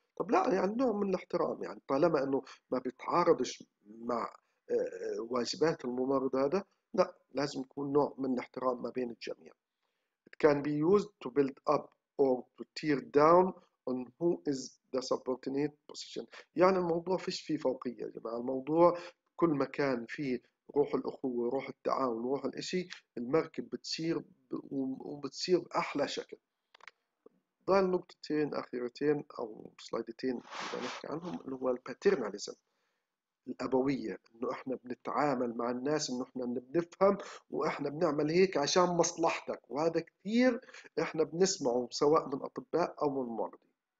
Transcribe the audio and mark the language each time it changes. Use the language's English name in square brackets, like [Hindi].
[Arabic] طب لا يعني نوع من الاحترام، يعني طالما انه ما بيتعارضش مع واجبات الممرض هذا، لا لازم يكون نوع من الاحترام ما بين الجميع. [English] It can be used to build up or to tear down on who is the subordinate position. [Arabic] يعني الموضوع فيش فيه فوقية يا جماعة، الموضوع كل ما كان فيه روح الأخوة روح التعاون روح الإشي المركب بتصير وبتصير أحلى شكل. ده النقطتين أخيرتين أو سلايدتين اللي بنحكي عنهم، اللي هو الباترناليزم، الأبوية، إنه إحنا بنتعامل مع الناس إنه إحنا بنفهم وإحنا بنعمل هيك عشان مصلحتك، وهذا كثير إحنا بنسمعه سواء من أطباء أو من مرضى.